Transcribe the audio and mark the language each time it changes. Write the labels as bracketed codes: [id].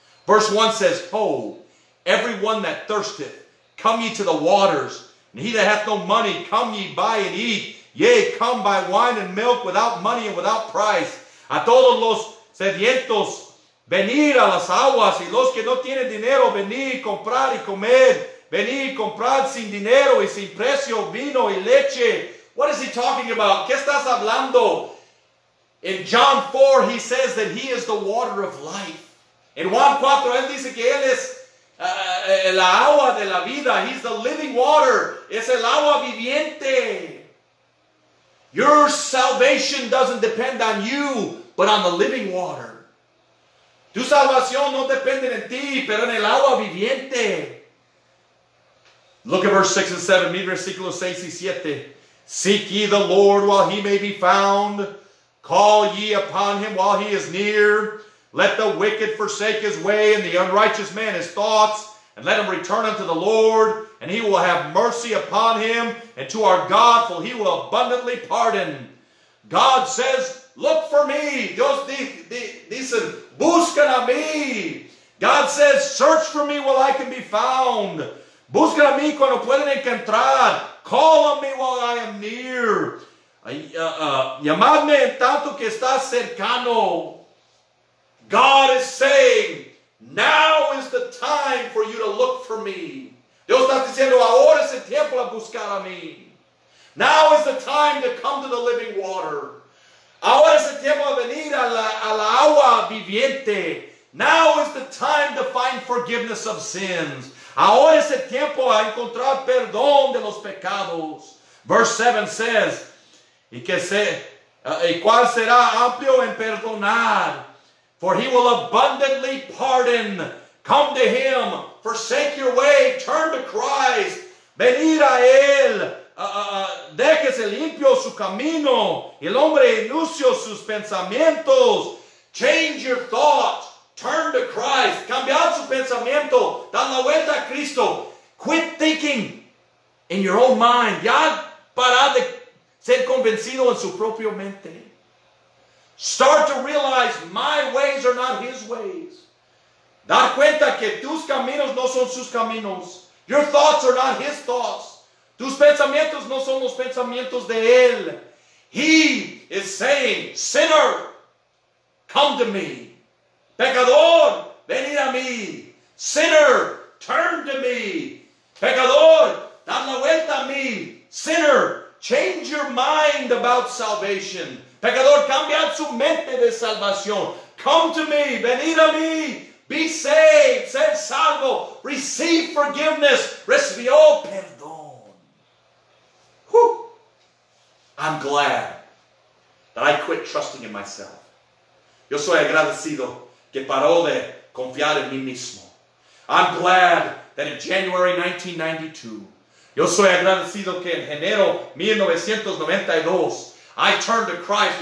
[en] Verse 1 says, ho, everyone that thirsteth, come ye to the waters. And he that hath no money, come ye buy and eat. Yea, come buy wine and milk without money and without price. [es] A todos los sedientos, venid a las aguas. Y los que no tienen dinero, venid, comprar y comer. Venid, comprar sin dinero y sin precio, vino y leche. [en] What is he talking about? [es] ¿Qué estás hablando? [en] In John 4, he says that he is the water of life. [es] In Juan 4, él dice que él es el agua de la vida. [en] He's the living water. [es] Es el agua viviente. [en] Your salvation doesn't depend on you, but on the living water. [es] Tu salvación no depende en ti, pero en el agua viviente. [en] Look at verse 6 and 7. [es] Mira versículo 6 y 7. [en] Seek ye the Lord while he may be found. Call ye upon him while he is near. Let the wicked forsake his way and the unrighteous man his thoughts, and let him return unto the Lord, and he will have mercy upon him, and to our God, for he will abundantly pardon. God says, look for me. [es] Dios dice, buscan a mí. [en] God says, search for me while I can be found. [es] Buscan a mí cuando pueden encontrar. [en] Call on me while I am near. [es] Llamadme en tanto que está cercano. [en] God is saying, now is the time for you to look for me. [es] Dios está diciendo, ahora es el tiempo de buscar a mí. [en] Now is the time to come to the living water. [es] Ahora es el tiempo de venir a la agua viviente. [en] Now is the time to find forgiveness of sins. [es] Ahora es el tiempo de encontrar perdón de los pecados. [en] Verse 7 says, [es] y cuál será amplio en perdonar? [en] For he will abundantly pardon. Come to him. Forsake your way. Turn to Christ. [es] Venid a él. Déjese limpio su camino. El hombre inicio sus pensamientos. [en] Change your thoughts. Turn to Christ. [es] Cambiar su pensamiento. Dar la vuelta a Cristo. [en] Quit thinking in your own mind. [es] Ya para de ser convencido en su propia mente. [en] Start to realize my ways are not his ways. [es] Dar cuenta que tus caminos no son sus caminos. [en] Your thoughts are not his thoughts. [es] Tus pensamientos no son los pensamientos de él. [en] He is saying, sinner, come to me. [es] Pecador, venid a mí. [en] Sinner, turn to me. [es] Pecador, dad la vuelta a mí. [en] Sinner, change your mind about salvation. [es] Pecador, cambia su mente de salvación. [en] Come to me. [es] Venid a mí. [en] Be saved. [es] Ser salvo. [en] Receive forgiveness. [es] Recibió perdón. [en] Whew. I'm glad that I quit trusting in myself. [es] Yo soy agradecido que paró de confiar en mí mismo. [en] I'm glad that in January 1992, [es] yo soy agradecido que en enero 1992, [en] I turned to Christ.